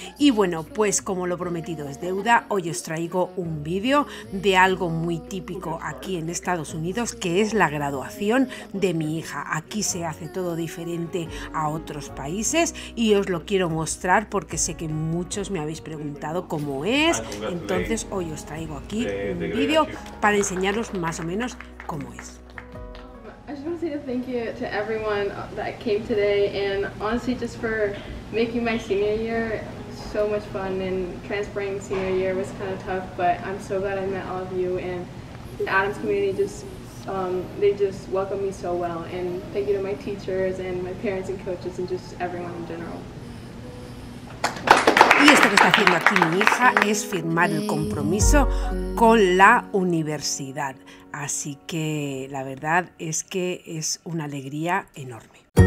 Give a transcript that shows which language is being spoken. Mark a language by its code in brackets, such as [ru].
[es] Y bueno, pues como lo prometido es deuda, hoy os traigo un vídeo de algo muy típico aquí en Estados Unidos, que es la graduación de mi hija. Aquí se hace todo diferente a otros países y os lo quiero mostrar porque sé que muchos me habéis preguntado cómo es. Entonces hoy os traigo aquí un vídeo para enseñaros más o menos cómo es. [en] I just want to say a thank you to everyone that came today and honestly just for making my senior year so much fun, and transferring senior year was kind of tough, but I'm so glad I met all of you and the Adams community just welcomed me so well, and thank you to my teachers and my parents and coaches and just everyone in general. [es] Y esto que está haciendo aquí mi hija es firmar el compromiso con la universidad. Así que la verdad es que es una alegría enorme.